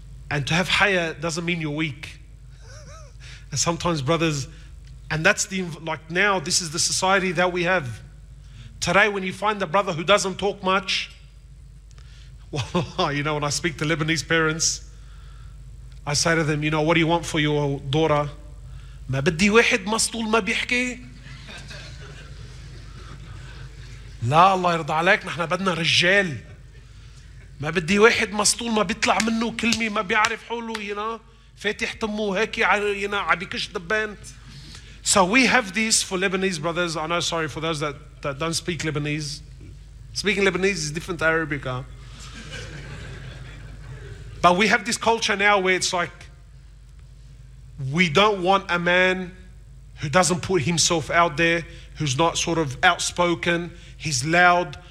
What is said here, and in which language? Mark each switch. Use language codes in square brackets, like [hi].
[en] And to have haya doesn't mean you're weak. And sometimes brothers, and that's the, like now, this is the society that we have. Today when you find a brother who doesn't talk much, well, you know, when I speak to Lebanese parents, I say to them, you know, what do you want for your daughter? [ar] ما بدي واحد مسطول ما بيحكي. لا الله يرضى عليك نحن بدنا رجال ما بدي واحد مسطول ما بيطلع منه كلمة ما بيعرف حوله هنا فاتح تمه هيك هنا عبيكش دبان. [en] So we have this for Lebanese brothers. I know, sorry for those that don't speak Lebanese. Speaking Lebanese is different to Arabic, huh? But we have this culture now where it's like we don't want a man who doesn't put himself out there, who's not sort of outspoken. He's loud.